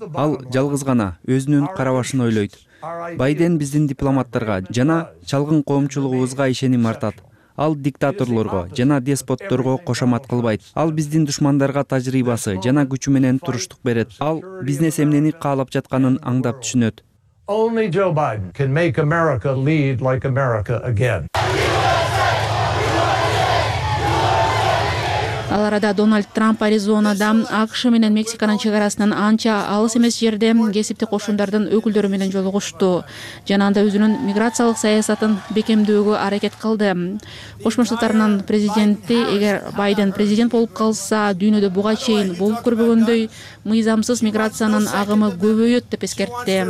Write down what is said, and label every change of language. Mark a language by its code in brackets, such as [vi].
[ky] Ал жалгыз гана өзүнүн карабашын ойлойт. Байден биздин дипломаттарга жана чалгын коомчулугубузга ишеним артат. Ал диктаторлорго жана деспотторго кошомат кылбайт. Ал биздин душмандарга тажрыйбасы жана күчү менен туруштук берет. Ал бизнес эмнени каалап жатканын аңдап түшүнөт. [en] Only Joe Biden can make America lead like America again. [ky] Ал арада Дональд Трамп Аризонада АКШ менен Мексиканын чек арасынан анча алыс эмес жерде кесиптик кошундардын өкүлдөрү менен жолугушту жана анда өзүнүн миграциялык саясатын бекемдөөгө аракет кылды. Кошмо Штаттарынын президенти эгер Байден президент болуп калса, дүйнөдө буга чейин болуп көрбөгөндөй мыйзамсыз миграциянын агымы көбөйөт деп эскертти.